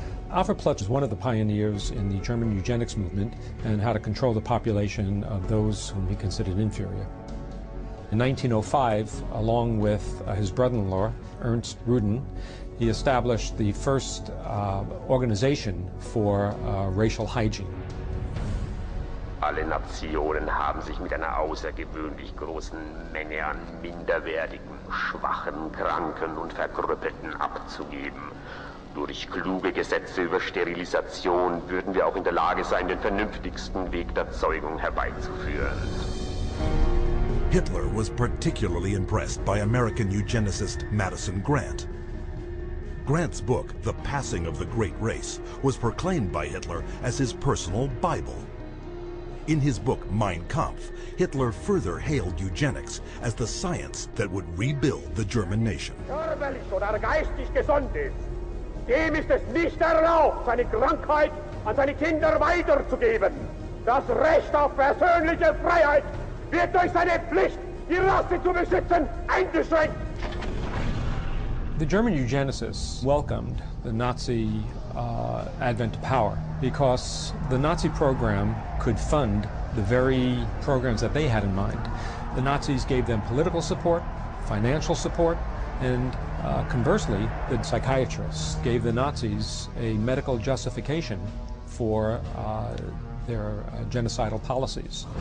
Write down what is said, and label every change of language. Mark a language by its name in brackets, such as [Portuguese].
[English] Alfred Plutsch was one of the pioneers in the German eugenics movement and how to control the population of those whom he considered inferior. In 1905, along with his brother-in-law, Ernst Rudin, he established the first organization for racial hygiene. [German] Alle Nationen haben sich mit einer außergewöhnlich großen Menge an minderwertigen, schwachen, kranken und verkrüppelten abzugeben. Durch kluge Gesetze über Sterilisation würden wir auch in der Lage sein, den vernünftigsten Weg der Zeugung herbeizuführen. [English] Hitler was particularly impressed by American eugenicist Madison Grant. Grant's book, The Passing of the Great Race, was proclaimed by Hitler as his personal Bible. In his book, Mein Kampf, Hitler further hailed eugenics as the science that would rebuild the German nation. [German] Körperlich oder geistig gesund ist, dem ist es nicht erlaubt, seine Krankheit an seine Kinder weiterzugeben. Das Recht auf persönliche Freiheit wird durch seine Pflicht, die Rasse zu besitzen, eingeschränkt. [English] The German eugenicists welcomed the Nazi advent to power because the Nazi program could fund the very programs that they had in mind. The Nazis gave them political support, financial support, and conversely, the psychiatrists gave the Nazis a medical justification for their genocidal policies.